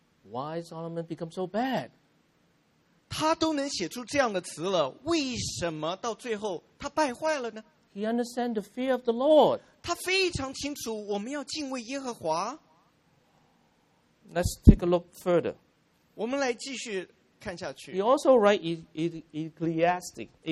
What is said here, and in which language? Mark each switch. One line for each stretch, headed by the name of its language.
English: Why Solomon become so bad?
Chinese: 他都能写出这样的词了，为什么到最后他败坏了呢？
English: He understand the fear of the Lord.
Chinese: 他非常清楚我们要敬畏耶和华。
English: Let's take a look further.
Chinese: 我们来继续看下去。
English: He also write Ecclesiastic.